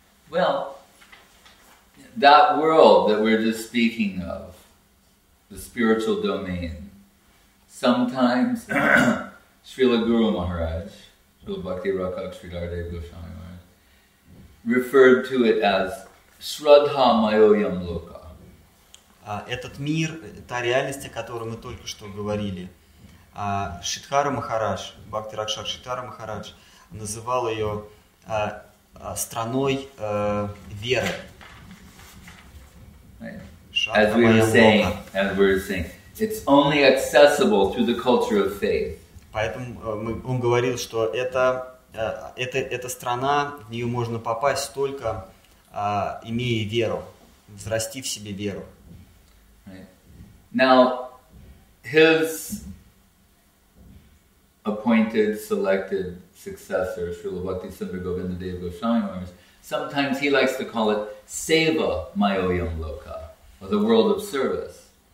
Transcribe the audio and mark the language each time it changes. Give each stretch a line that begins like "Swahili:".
English: Well, that world that we're just speaking of, the spiritual domain, sometimes Srila Guru Maharaj, Srila Bhakti Rakhak Sridhar Dev Goswami Maharaj, referred to it as Shraddha Mayoyam Loka.
Russian: Этот мир, та реальность, о которой мы только что говорили, Шридхара Махарадж, Бхакти Ракшар Шридхара Махарадж, называл ее страной веры.
English: As we were saying, it's only accessible through the culture of faith.
Russian: Поэтому он говорил, что эта страна, в нее можно попасть только имея веру, взрасти в себе веру.
English: Now, his appointed, selected successor, Srila Bhakti Sundar Govinda Dev Goswami Maharaj, sometimes he likes to call it Seva Mayoyam Loka, or the world of service.